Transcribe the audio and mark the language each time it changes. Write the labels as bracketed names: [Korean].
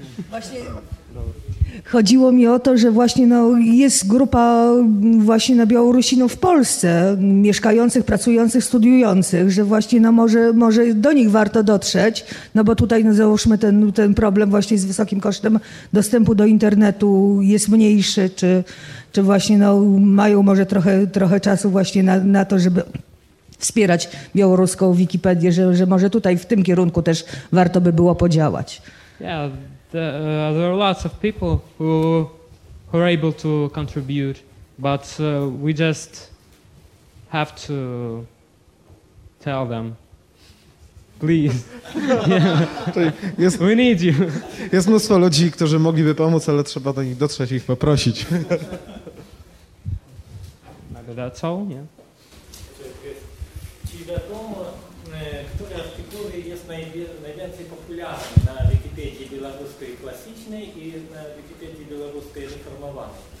[Polish] Właśnie chodziło mi o to, że właśnie no, jest grupa właśnie na Białorusinów w Polsce, mieszkających, pracujących, studiujących, że właśnie no, może do nich warto dotrzeć, no bo tutaj no, załóżmy ten problem właśnie z wysokim kosztem dostępu do internetu jest mniejszy, czy właśnie no, mają może trochę czasu właśnie na to, żeby wspierać białoruską Wikipedię, że może tutaj w tym kierunku też warto by było podziałać. [English] Yeah. There are lots of people who are able to contribute, but we just have to tell them, please. [Polish] Jest, [English] we need you. [Polish] Jest mnóstwo ludzi, którzy mogliby pomóc, ale trzeba do nich dotrzeć i ich poprosić. [English] Maybe that's all, yeah. [Polish] Czy wiadomo, który artykuł jest najwięcej popularny na Wikipedii białoruskiej klasycznej i na Wikipedii białoruskiej reformowanej?